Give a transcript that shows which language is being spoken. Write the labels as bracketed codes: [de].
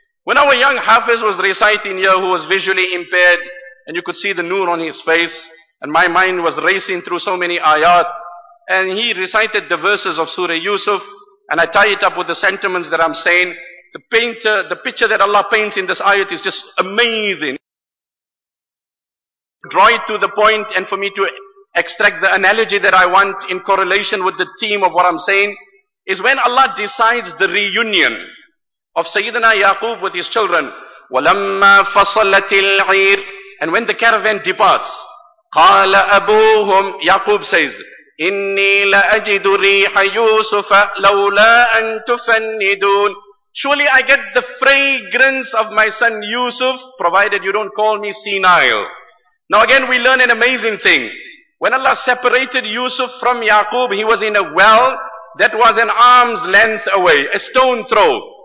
[en] When our young Hafiz was reciting here, who was visually impaired, and you could see the noor on his face, and my mind was racing through so many ayat, and he recited the verses of Surah Yusuf, and I tie it up with the sentiments that I'm saying, the picture that Allah paints in this ayat is just amazing. Draw it to the point, and for me to extract the analogy that I want in correlation with the theme of what I'm saying, is when Allah decides the reunion of Sayyidina Yaqub with his children. [ar] وَلَمَّا فَصَلَتِ الْعِيرِ. [en] And when the caravan departs, [ar] قَالَ أَبُوهُمْ, [en] Yaqub says, [ar] إِنِّي لَأَجِدُ رِيحَ يُوسُفَ لَوْلَا أَن تُفَنِّدُونَ. [en] Surely I get the fragrance of my son Yusuf, provided you don't call me senile. Now again, we learn an amazing thing. When Allah separated Yusuf from Yaqub, he was in a well that was an arm's length away, a stone throw.